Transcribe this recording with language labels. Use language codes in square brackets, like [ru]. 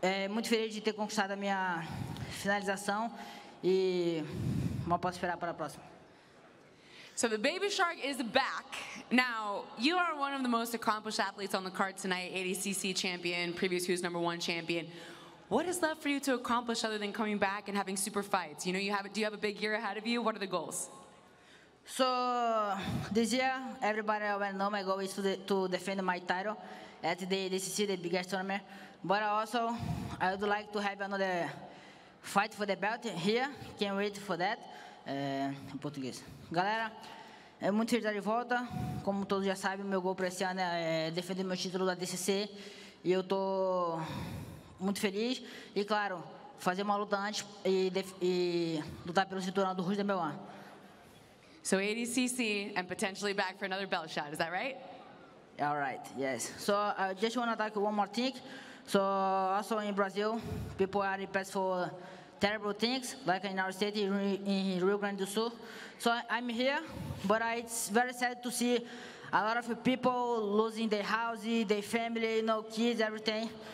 [pt] Muito feliz de ter conquistado a minha finalização e mal posso esperar para a próxima. [en] So the Baby Shark is back. Now, you are one of the most accomplished athletes on the card tonight, ADCC champion, previous Who's Number One champion. What is left for you to accomplish other than coming back and having super fights? You know, do you have a big year ahead of you? What are the goals? So this year, everybody already know my goal is to defend my title at the ADCC, the biggest tournament. But also, I would like to have another fight for the belt here. Can't wait for that. [pt] Em português. Galera, é muito feliz estar de volta. Como todos já sabem, meu gol para esse ano é defender meu título da DCC. E eu tô muito feliz. E claro, fazer uma luta antes e lutar pelo cinturão do Rush da Belan. [en] So ADCC and potentially back for another belt shot, is that right? All right, yes. So I just want to talk one more thing. So also in Brazil, people are impressed for terrible things, like in our state in Rio Grande do Sul. So I'm here, but it's very sad to see a lot of people losing their houses, their family, you know, kids, everything.